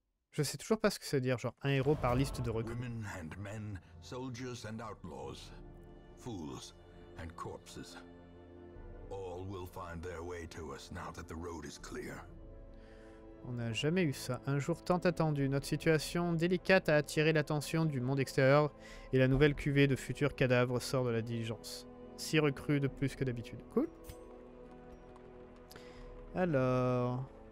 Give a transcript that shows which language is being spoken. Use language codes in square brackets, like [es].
[fr] Je sais toujours pas ce que ça veut dire, genre un héros par liste de recrues. [en] Women and men, soldiers and outlaws, fools and corpses. All will find their way to us now that the road is clear. [fr] On n'a jamais eu ça. Un jour tant attendu, notre situation délicate a attiré l'attention du monde extérieur et la nouvelle cuvée de futurs cadavres sort de la diligence. 6 recrues de plus que d'habitude. Cool. Alors...